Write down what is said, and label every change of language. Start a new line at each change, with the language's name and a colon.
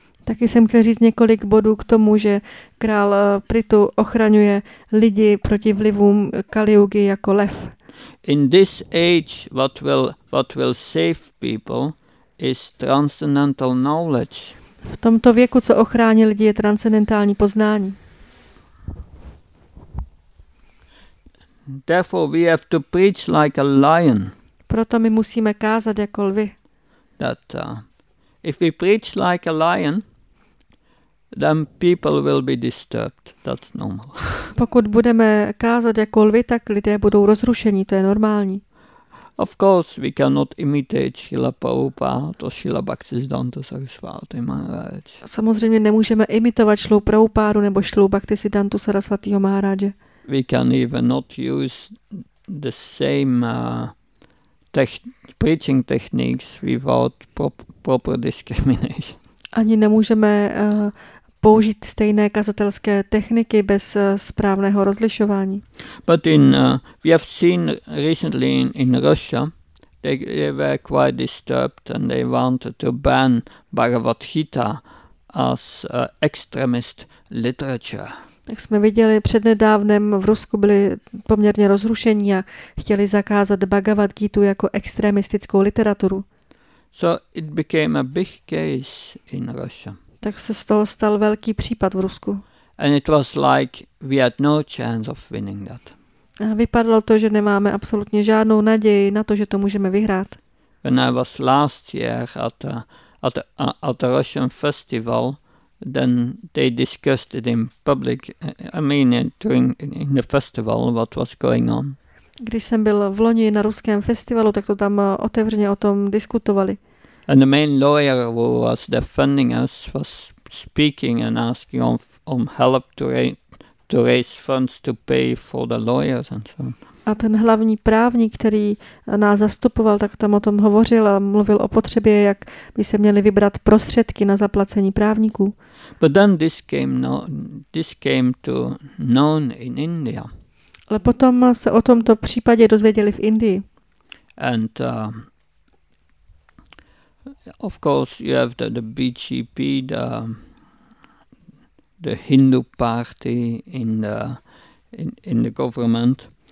Czech: Taky jsem chtěl říct několik bodů k tomu, že král Prithu ochraňuje lidi proti vlivům Kali Yugi jako lev.
English: In this age, what will save people is transcendental knowledge.
Czech: V tomto věku, co ochrání lidi, je transcendentální poznání.
English: Therefore we have to preach like a lion.
Czech: Proto my musíme kázat jako lvi.
English: That if we preach like a lion, then people will be disturbed. That's normal.
Czech: Pokud budeme kázat jako lvi, tak lidé budou rozrušení, to je normální.
English: Of course, we cannot imitate Srila Prabhupada, Srila Bhaktisiddhanta Sarasvati Maharaj.
Czech: Samozřejmě nemůžeme imitovat Srilu Prabhupádu nebo Srilu Bhaktisiddhantu Sarasvatiho Maharaje.
English: We can even not use the same preaching techniques without proper discrimination.
Czech: Ani nemůžeme použít stejné kazatelské techniky bez správného rozlišování.
English: But in we have seen recently in Russia they were quite disturbed and they wanted to ban Bhagavad Gita as extremist literature.
Czech: Tak jsme viděli přednedávnem, v Rusku byli poměrně rozrušení a chtěli zakázat Bhagavad Gitu jako extremistickou literaturu.
English: So it became a big case in Russia.
Czech: Tak se z toho stal velký případ v Rusku.
English: And it was like we had no chance of winning that.
Czech: A vypadalo to, že nemáme absolutně žádnou naději na to, že to můžeme vyhrát.
English: When I was last year at the Russian festival, then they discussed it in public, I mean during in the festival what was going on.
Czech: Když jsem byl v loni na ruském festivalu, tak to tam otevřeně o tom diskutovali.
English: And the main lawyer who was defending us was speaking and asking on help to raise funds to pay for the lawyers and so on.
Czech: A ten hlavní právník, který nás zastupoval, tak tam o tom hovořil a mluvil o potřebě, jak by se měly vybrat prostředky na zaplacení právníků.
English: But then this came to known in India.
Czech: Ale potom se o tomto případě dozvěděli v Indii.
English: And of course you have the BJP, the Hindu party in the government.